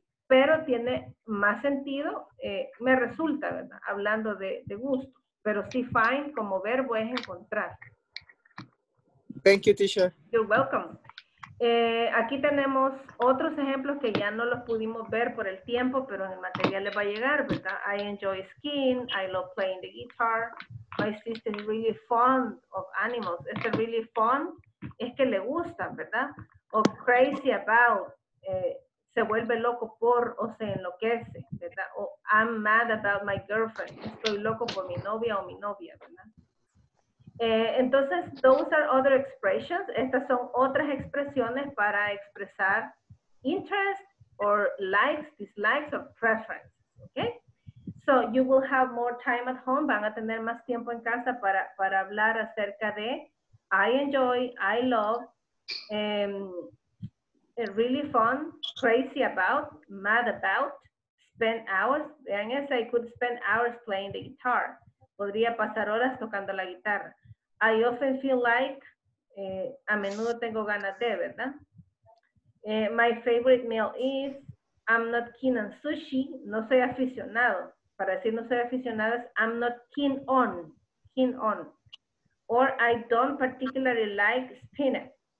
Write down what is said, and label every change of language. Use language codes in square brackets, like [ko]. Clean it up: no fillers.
[es] Pero tiene más sentido, me resulta, ¿verdad? Hablando de gusto. Pero sí, find como verbo es encontrar. [en] Thank you, teacher. You're welcome. [es] Aquí tenemos otros ejemplos que ya no los pudimos ver por el tiempo, pero en el material les va a llegar, ¿verdad? [en] I enjoy skiing, I love playing the guitar, my sister is really fond of animals. [es] Este really fond es que le gusta, ¿verdad? O crazy about, se vuelve loco por o se enloquece, ¿verdad? O [en] I'm mad about my girlfriend, [es] estoy loco por mi novia o mi novia, ¿verdad? [en] Entonces, those are other expressions. [es] Estas son otras expresiones para expresar [en] interest or likes, dislikes or preference. Okay? So you will have more time at home. [es] Van a tener más tiempo en casa para hablar acerca de [en] I enjoy, I love, really fun, crazy about, mad about, spend hours. [es] Vean eso, [en] I could spend hours playing the guitar. [es] Podría pasar horas tocando la guitarra. [en] I often feel like, [es] a menudo tengo ganas de, ¿verdad? [en] My favorite meal is, I'm not keen on sushi, [es] no soy aficionado. Para decir no soy aficionado es, [en] I'm not keen on. Or I don't particularly like spinach.